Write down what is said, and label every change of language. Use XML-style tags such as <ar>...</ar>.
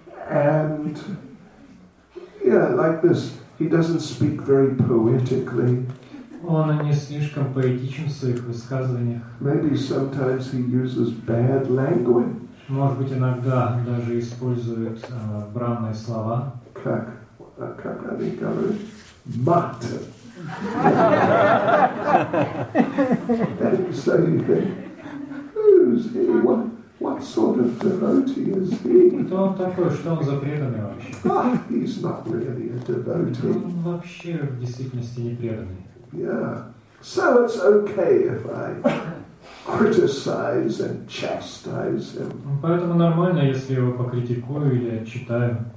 <en>And like this, he doesn't speak very poetically.</en> <ru>Он не слишком поэтичен в своих высказываниях.</ru> <en>Maybe sometimes he uses bad language.</en> <ru>Может быть, иногда даже использует бранные слова. Как они говорят? Мат.</ru> <en>That is so funny. What sort of devotee is he?</en> <ru>Кто он такой? Что он за преданный вообще?</ru> <en>He's not really a devotee.</en> <ru>Он вообще в действительности не преданный.</ru> <en>Yeah. So it's okay if I criticize and chastise him.</en> <ru>Поэтому нормально, если его покритикую или отчитаю.</ru>